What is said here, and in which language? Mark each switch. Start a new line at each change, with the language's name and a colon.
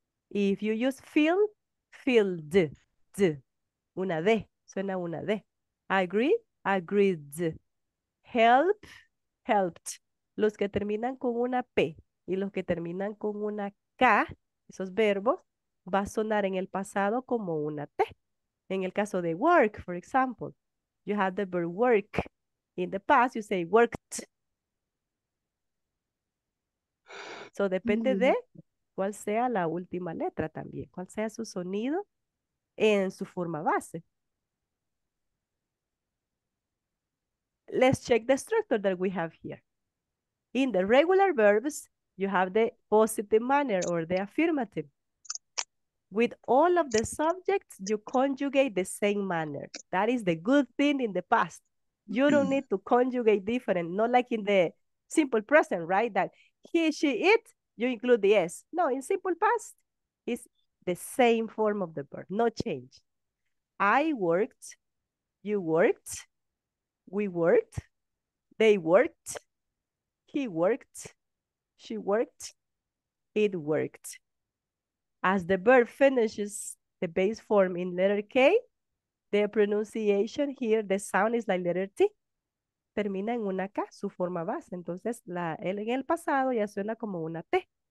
English: If you use feel, filled, d,
Spanish: una D, suena una D.
English: Agree, agreed. Help, helped.
Spanish: Los que terminan con una P y los que terminan con una K, esos verbos, va a sonar en el pasado como una T. En el caso de
English: work, for example, you have the verb work. In the past, you say worked.
Spanish: So, depende de cuál sea la última letra también, cuál sea su sonido en su forma base.
English: Let's check the structure that we have here. In the regular verbs, you have the positive manner or the affirmative. With all of the subjects, you conjugate the same manner. That is the good thing in the past. You don't need to conjugate different, not like in the simple present, right? That he, she, it, you include the S. No, in simple past, it's the same form of the verb, no change. I worked, you worked, we worked, they worked, he worked, she worked, it worked. As the verb finishes the base form in letter K, the pronunciation here, the sound is like letter T.
Spanish: Termina en una K, su forma base. Entonces, la L en el pasado ya suena como una T.